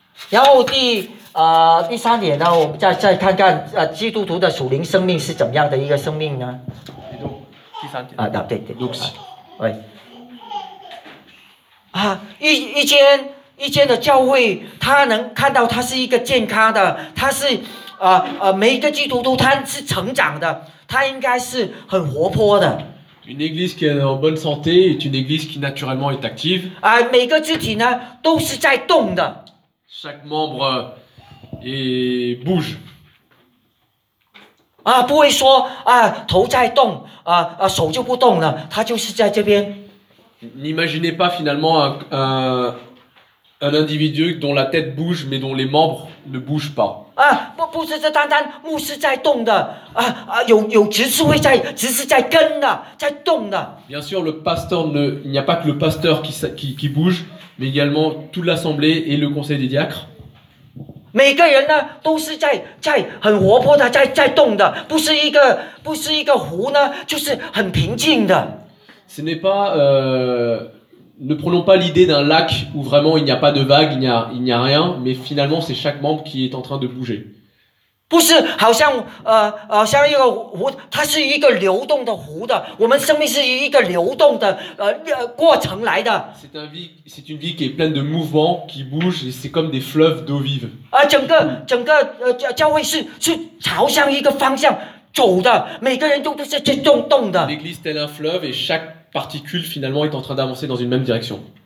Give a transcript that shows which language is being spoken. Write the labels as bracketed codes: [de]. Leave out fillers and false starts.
[zh] 然后第三点呢，我们再看看基督徒的属灵生命是怎么样的一个生命呢？第三点。对。一间的教会，他能看到他是一个健康的，他是每一个基督徒他是成长的。他应该是很活泼的。 [fr] Une église qui est en bonne santé est une église qui naturellement est active. [zh] 每个肢体呢都是在动的。 [fr] Chaque membre bouge. [zh] 啊，不会说啊，头在动啊啊，手就不动了，他就是在这边。 [fr] N'imaginez pas finalement un individu dont la tête bouge mais dont les membres ne bougent pas. [zh] 啊，不是这单单牧师在动的啊啊，有执事会在，执事在跟的，在动的。 [fr] Bien sûr, le pasteur ne, il n'y a pas que le pasteur qui bouge, mais également toute l'assemblée et le conseil des diacres. [zh] 每个人呢都是在很活泼的在动的，不是一个湖呢，就是很平静的。 [fr] Ce n'est pas, ne prenons pas l'idée d'un lac où vraiment il n'y a pas de vagues, il n'y a rien, mais finalement c'est chaque membre qui est en train de bouger. [zh] 不是好像像一个湖，它是一个流动的湖的，我们生命是一个流动的过程来的。 [fr] C'est une vie qui est pleine de mouvements, qui bouge, et c'est comme des fleuves d'eau vive. [zh] 啊，整个教会是朝向一个方向走的，每个人都是在动的。 [fr] L'église est un fleuve et chaque particule finalement est en train d'avancer dans une même direction.